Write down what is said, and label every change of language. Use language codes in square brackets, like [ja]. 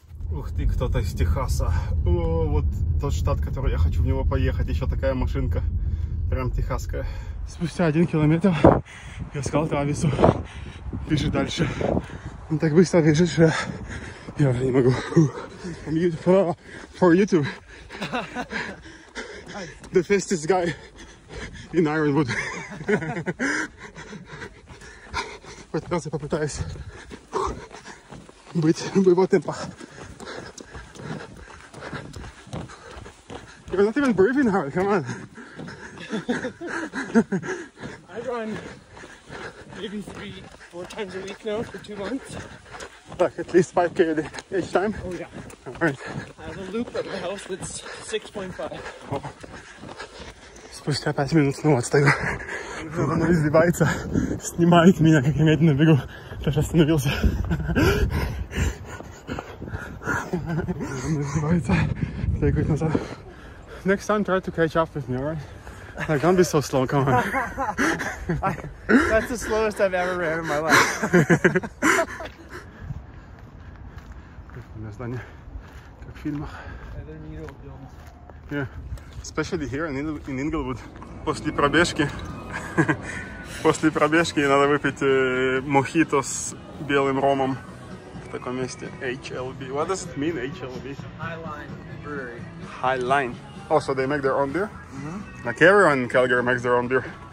[ru] Ух ты, кто-то из Техаса. О, вот тот штат, который я хочу в него поехать. Еще такая машинка, прям техасская. Спустя 1 километр я сказал Травису: бежи дальше. Он так быстро бежит, что я уже не могу. [en] I'm here for YouTube. The fastest guy in Ironwood. [ru] В этот раз я попытаюсь быть в его темпах. [en] You're not even breathing hard, come on. I run maybe 3-4 times a week now for 2 months. Like at least 5k each time? Oh yeah. Alright. I have a loop at my house that's 6.5. Oh. [ru] Спустя 5 минут снова отстаю. Она извивается, снимает меня, как я медленно бегу. Даже остановился. Она извивается, бегает назад. [en] Next time try to catch up with me, alright? Like, don't be so slow, come on. That's the slowest I've ever ran in my life. [ru] У меня здание, как в фильмах. [en] Especially here in Inglewood. [ru] После пробежки надо выпить мохито с белым ромом в таком месте. [en] HLB. What does it mean, HLB? Highline Brewery. Highline. Oh, so they make their own beer? Mm-hmm. Like everyone in Calgary makes their own beer.